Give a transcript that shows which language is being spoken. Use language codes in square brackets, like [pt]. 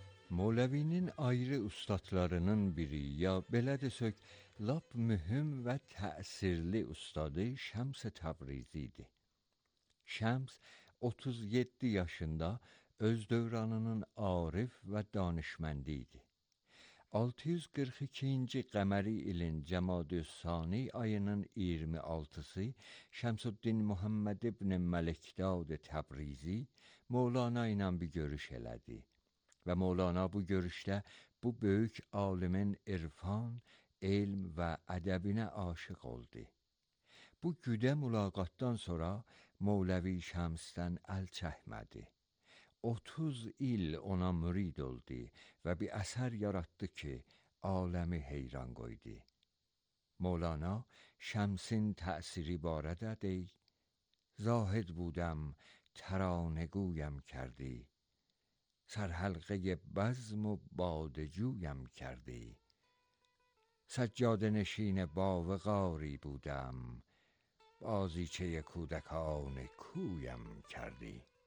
[az] Mevlevinin ayrı ustadlarının biri ya belə desək, lap mühüm və təsirli ustadı Şəms Təbrizi idi. Şəms 37 yaşında öz dövranının arif və danışməndi idi. 642-ci qəmeri ilin Cəmadüs-Sani ayının 26-sı Şəmsuddin Muhammed ibn Məlikdad Təbrizi Mevlana ilə bir görüş elədi. Və Mevlana bu görüşdə bu böyük alimin irfan, elm və ədəbinə aşıq oldu. Bu güdə mülaqatdan sonra Mevlevi Şəmsdən əl çəkmədi. 30 il ona mürid oldu və bir əsər yaratdı ki, aləmi heyran qoydu. مولانا شمسین تأثیری بارده دی [fa] زاهد بودم ترانگویم کردی سرحلقه بزم و بادجویم کردی سجاده نشین باوقاری بودم بازیچه کودکان کویم کردی